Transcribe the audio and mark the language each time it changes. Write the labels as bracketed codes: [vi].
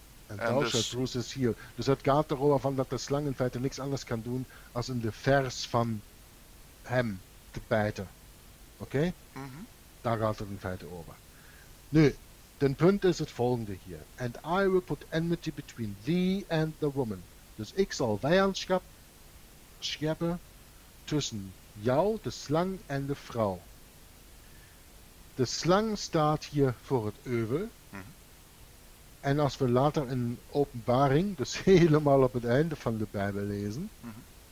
[en] Mm-hmm. And thou shalt bruise his heel. [nl] Dus het gaat erover van dat de slang in feite niks anders kan doen als in de vers van hem te bijten. Oké? Okay? Mm-hmm. Daar gaat het in feite over. Nu, de punt is het volgende hier. [en] And I will put enmity between thee and the woman. [nl] Dus ik zal vijandschap scheppen tussen jou, de slang en de vrouw. De slang staat hier voor het euvel. Mm-hmm. En als we later in Openbaring, dus helemaal op het einde van de Bijbel lezen, mm-hmm.